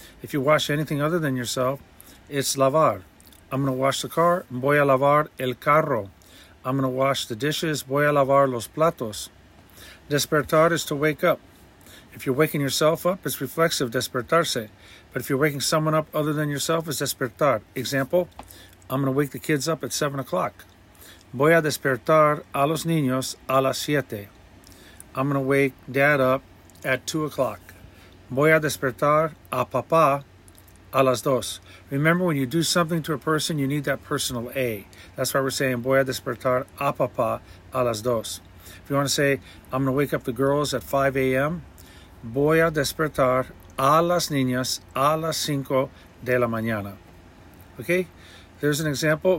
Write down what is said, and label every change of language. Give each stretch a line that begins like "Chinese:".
English: If you wash anything other than yourself, it's lavar. I'm going to wash the car,
Spanish: voy a lavar el carro.
English: I'm going to wash the dishes,
Spanish: voy a lavar los platos.
English: Despertar is to wake up. If you're waking yourself up, it's reflexive, despertarse. But if you're waking someone up other than yourself, it's despertar. Example, I'm going to wake the kids up at 7 o'clock.
Spanish: Voy a despertar a los niños a las 7.
English: I'm going to wake dad up at 2 o'clock.
Spanish: Voy a despertar a papá a las 2.
English: Remember, when you do something to a person, you need that personal A. That's why we're saying
Spanish: voy a despertar a papá a las 2.
English: If you want to say, I'm going to wake up the girls at 5 a.m.,
Spanish: voy a despertar a las niñas a las 5 de la mañana.
English: Okay? There's an example.